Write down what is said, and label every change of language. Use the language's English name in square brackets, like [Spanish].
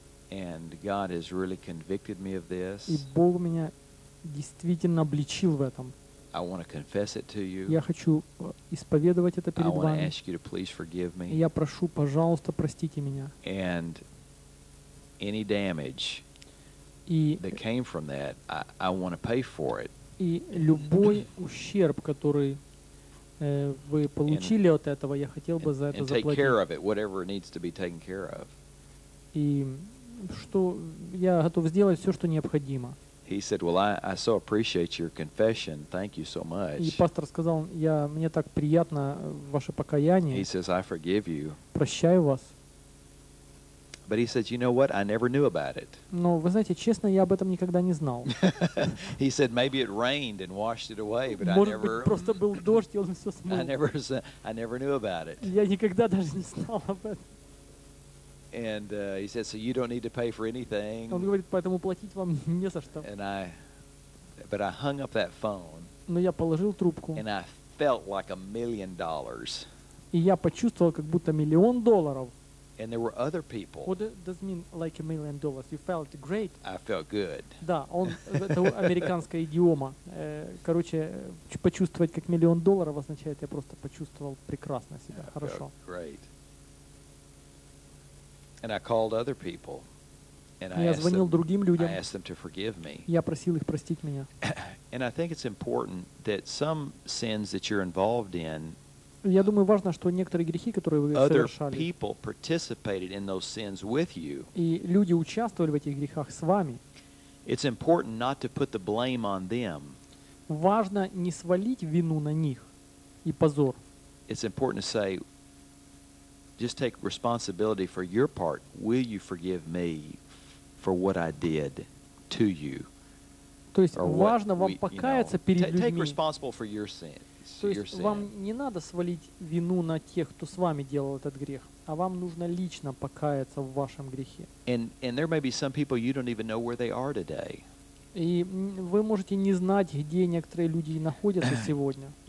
[English] And God has really convicted me of this. [Russian] И Бог меня действительно обличил в этом. [English] I want to confess it to you. [Russian] Я хочу исповедовать это перед вами. [English] I want to ask you to please forgive me. [Russian] Я прошу, пожалуйста, простите меня. [English] And any damage that came from that, I want to pay for it. [Russian] И любой ущерб, который вы получили от этого, я хотел бы за это заплатить. [English] And take care of it, whatever needs to be taken care of. [Russian] И что я готов сделать все, что необходимо. [English] He said, well, I so appreciate your confession. Thank you so much. [Russian] И пастор сказал, мне так приятно ваше покаяние. [English] He says, I forgive you. [Russian] Прощаю вас. [English] But he said, you know what? I never knew about it. [Russian] Но вы знаете, честно, я об этом никогда не знал. [English] He said, maybe it rained and washed it away, but [Russian] просто был дождь, и он все смыл. [English] I never knew about it. [Russian] Я никогда даже не знал об этом. [English] And he said, so you don't need to pay for anything. [Russian] Он говорит, поэтому платить вам не за что. [English] But I hung up that phone. [Russian] Но я положил трубку. [English] And I felt like $1 million. [Russian] И я почувствовал, как будто миллион долларов. [English] And there were other people. What does mean like $1 million? You felt great. I felt good. [Russian] Да, он это американская идиома. Короче, почувствовать как миллион долларов означает я просто почувствовал прекрасно себя, хорошо. [English] Great. And I called other people. And [Russian] я звонил другим людям. [English] I asked them to forgive me. [Russian] Я просил их простить меня. [English] And I think it's important that some sins that you're involved in. [Russian] Я думаю, важно, что некоторые грехи, которые вы совершали, [English] people participated in those sins with you. [Russian] И люди участвовали в этих грехах с вами. [English] It's important not to put the blame on them. [Russian] Важно не свалить вину на них и позор. [English] It's important to say, just take responsibility for your part. Will you forgive me for what I did to you? [Russian] То есть важно вам покаяться перед людьми. [English] Take responsible for your sin. [Russian] То есть вам не надо свалить вину на тех, кто с вами делал этот грех, а вам нужно лично покаяться в вашем грехе. [English] And [Russian] и вы можете не знать, где некоторые люди находятся сегодня.